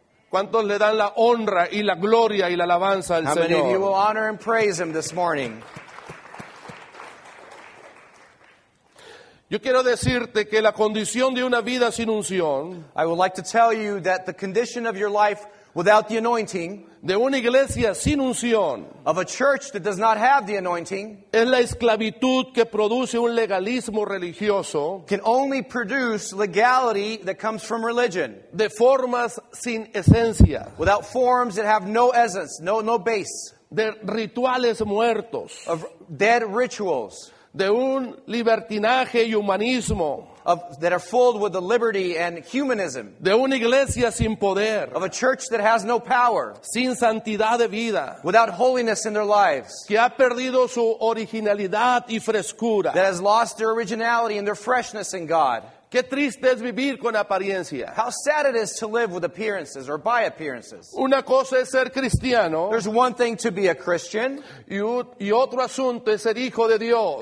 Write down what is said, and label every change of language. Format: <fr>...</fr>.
<es>¿Cuántos le dan la honra y la gloria y la alabanza al Señor?</es> <en>How many of you will honor and praise him this morning?</en> <es>Yo quiero decirte que la condición de una vida sin unción,</es> <en>I would like to tell you that the condition of your life without the anointing,</en> <es>de una iglesia sin unción,</es> <en>of a church that does not have the anointing,</en> <es>es la esclavitud que produce un legalismo religioso,</es> <en>can only produce legality that comes from religion,</en> <es>de formas sin esencia,</es> <en>without forms that have no essence, no base,</en> <es>de rituales muertos,</es> <en>of dead rituals,</en> <es>de un libertinaje y humanismo.</es> <en>That are filled with the liberty and humanism.</en> <es>De una iglesia sin poder.</es> <en>Of a church that has no power.</en> <es>Sin santidad de vida.</es> <en>Without holiness in their lives.</en> <es>Que ha perdido su originalidad y frescura.</es> <en>That has lost their originality and their freshness in God.</en> <es>Qué triste es vivir con apariencia.</es> <en>How sad it is to live with appearances or by appearances.</en> <es>Una cosa es ser cristiano.</es> <en>There's one thing to be a Christian.</en> <es>Y otro asunto es ser hijo de Dios.</es>